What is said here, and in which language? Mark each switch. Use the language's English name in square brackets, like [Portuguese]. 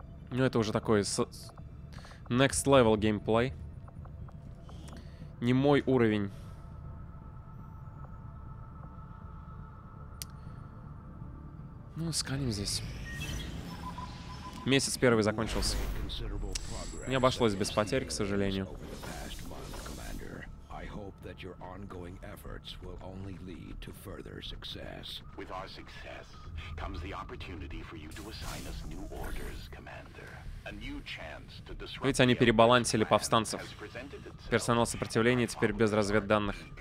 [Russian] Ну, это уже такой [English] next level gameplay. [Russian] Не мой уровень. Ну, сканим здесь. Месяц первый закончился. Не обошлось без потерь, к сожалению. [English] That your ongoing efforts will only lead to further success. With our success comes the opportunity for you to assign us new orders, Commander. A new chance to disrupt. [Russian] Ведь они перебалансили повстанцев. Персонал сопротивления теперь без разведданных.